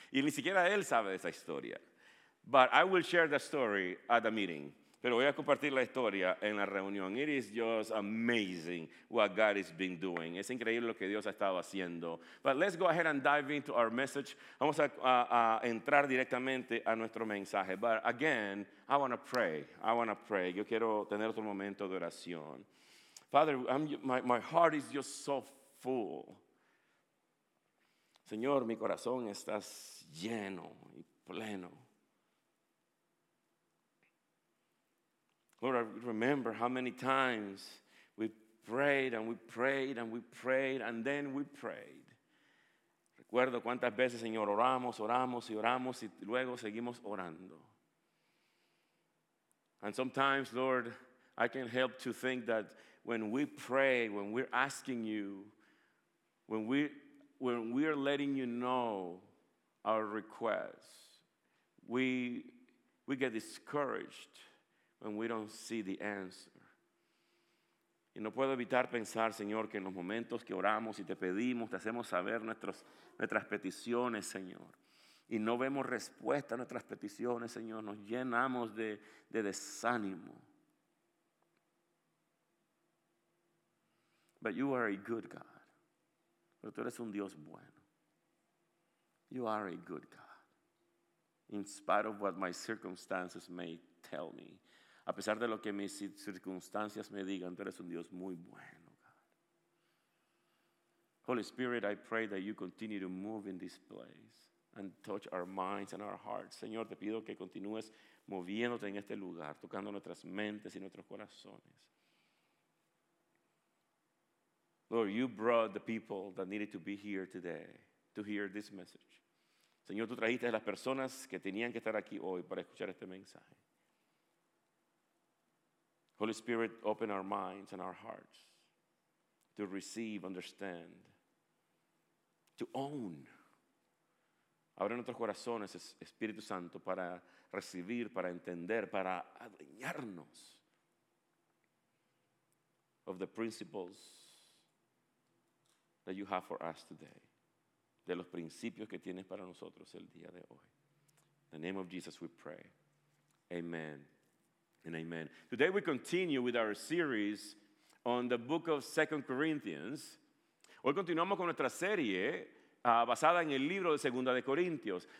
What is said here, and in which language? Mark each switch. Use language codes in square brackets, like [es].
[es] Y ni siquiera él sabe de esa historia. [en] But I will share the story at the meeting. [es] Pero voy a compartir la historia en la reunión. [en] It is just amazing what God has been doing. [es] Es increíble lo que Dios ha estado haciendo. [en] But let's go ahead and dive into our message. [es] Vamos a entrar directamente a nuestro mensaje. [en] But again, I want to pray. I want to pray. [es] Yo quiero tener otro momento de oración. [en] Father, my heart is just so full. [es] Señor, mi corazón está lleno y pleno. [en] Lord, I remember how many times we prayed and we prayed and we prayed and then we prayed. [es] Recuerdo cuántas veces, Señor, oramos, oramos y oramos y luego seguimos orando. [en] And sometimes, Lord, I can't help to think that when we pray, when we're asking you, when we're letting you know our requests, we get discouraged. And we don't see the answer. [es] Y no puedo evitar pensar, Señor, que en los momentos que oramos y te pedimos, te hacemos saber nuestras peticiones, Señor, y no vemos respuesta a nuestras peticiones, Señor, nos llenamos de desánimo. [en] But you are a good God. [es] Pero tú eres un Dios bueno. [en] You are a good God. In spite of what my circumstances may tell me. [es] A pesar de lo que mis circunstancias me digan, tú eres un Dios muy bueno, God. [en] Holy Spirit, I pray that you continue to move in this place and touch our minds and our hearts. [es] Señor, te pido que continúes moviéndote en este lugar, tocando nuestras mentes y nuestros corazones. [en] Lord, you brought the people that needed to be here today to hear this message. [es] Señor, tú trajiste a las personas que tenían que estar aquí hoy para escuchar este mensaje. [en] Holy Spirit, open our minds and our hearts to receive, understand, to own. [es] Abre nuestros corazones, Espíritu Santo, para recibir, para entender, para adueñarnos [en] of the principles that you have for us today, [es] de los principios que tienes para nosotros el día de hoy. [en] In the name of Jesus we pray. Amen. And amen. Today we continue with our series on the book of 2 Corinthians. [es] Hoy continuamos con nuestra serie basada en el libro de 2 de Corintios.